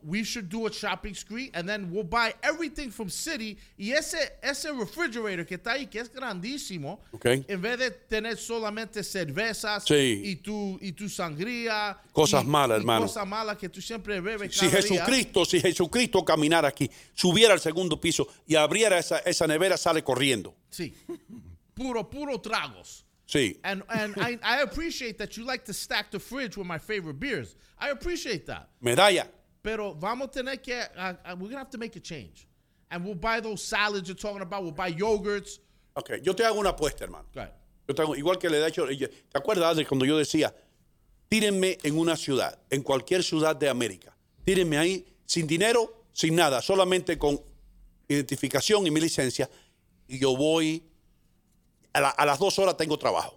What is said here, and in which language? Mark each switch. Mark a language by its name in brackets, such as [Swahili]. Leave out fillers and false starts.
[English] We should do a shopping spree, and then we'll buy everything from City. [Spanish] Y ese refrigerator que está ahí, que es grandísimo. [English] Okay. [Spanish] En vez de tener solamente cervezas. Sí. Y tu sangría. Cosas malas, hermano. Cosas malas que tú siempre bebes cada día. Si Jesucristo caminara aquí, subiera al segundo piso y abriera esa nevera, sale corriendo. Sí. Puro tragos. Sí. [English] And I appreciate that you like to stack the fridge with my favorite beers. I appreciate that. Medalla. [Spanish] Pero vamos a tener que, [English] we're going to have to make a change. And we'll buy those salads you're talking about. We'll buy yogurts. [Spanish] Okay. Yo te hago una apuesta, hermano. [English] Go ahead. [Spanish] Yo te hago, igual que le he dicho, ¿te acuerdas de cuando yo decía, tírenme en una ciudad, en cualquier ciudad de América, tírenme ahí sin dinero, sin nada, solamente con identificación y mi licencia, y yo voy, a las 2 horas tengo trabajo.